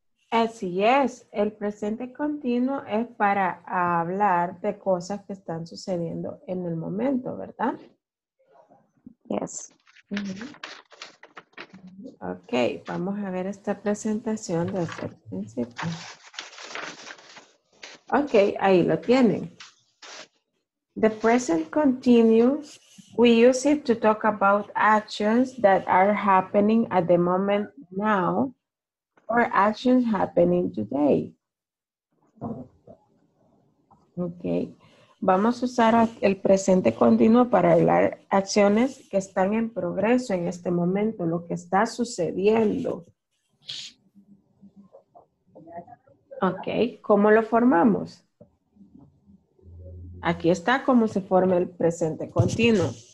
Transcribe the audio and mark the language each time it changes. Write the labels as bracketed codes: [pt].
[es] Así es, el presente continuo es para hablar de cosas que están sucediendo en el momento, ¿verdad? [en] Yes. Mm-hmm. [es] Okay, vamos a ver esta presentación desde el principio. Ok, ahí lo tienen. [en] The present continuous, we use it to talk about actions that are happening at the moment now or actions happening today. [es] Ok, vamos a usar el presente continuo para hablar acciones que están en progreso en este momento, lo que está sucediendo. Okay, ¿cómo lo formamos? Aquí está cómo se forma el presente continuo.